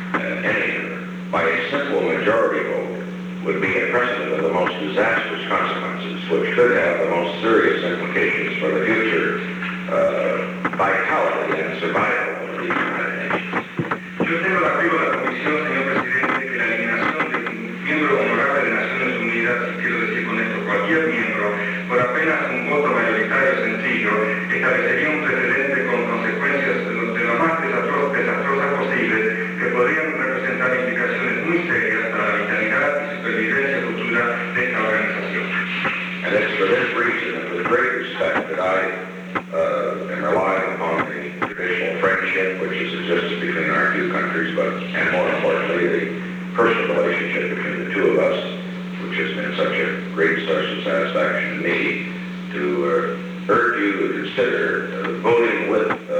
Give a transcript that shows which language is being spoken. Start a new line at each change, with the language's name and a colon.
English: majority vote would be a precedent of the most disastrous consequences, which could have the most serious implications for the future vitality and survival of the United Nations.
Spanish: Yo tengo la prueba de la comisión, señor presidente, que la eliminación de un miembro honorable de Naciones Unidas, quiero decir con esto, cualquier miembro, por apenas un voto mayoritario sencillo, establecería un precedente con consecuencias de lo más desastrosas posibles que podrían representar implicaciones muy serias para la vitalidad y supervivencia futura de esta organización.
English: And it's for this reason and for the great respect that I am relying upon the traditional friendship which has existed between our two countries, but and more importantly the personal relationship between the two of us, which has been such a great source of satisfaction to me, to urge you to consider voting with